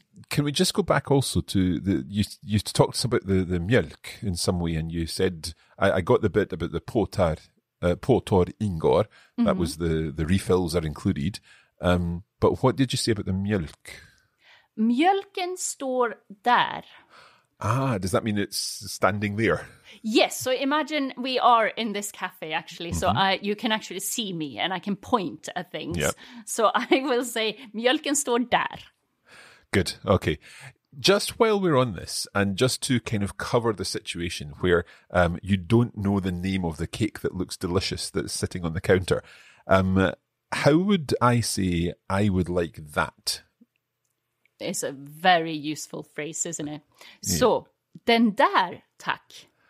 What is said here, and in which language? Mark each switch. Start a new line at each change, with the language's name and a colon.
English: Can we just go back also to the, you talked about the mjölk in some way, and you said, I got the bit about the
Swedish: påtår ingår,
English: that was the refills are included. But what did you say about the mjölk?
Swedish: Mjölken står där.
English: Ah, does that mean it's standing there? Yes, so imagine we are in this cafe, actually. Mm-hmm. So you can actually see me and I can point at things. Yep. So I will say,
Swedish: mjölken står där.
English: Good, okay. Just while we're on this, and just to kind of cover the situation where you don't know the name of the cake that looks delicious that's sitting on the counter, how would I say I would like that? It's a very useful phrase, isn't it? Yeah. So,
Swedish: den där, tack.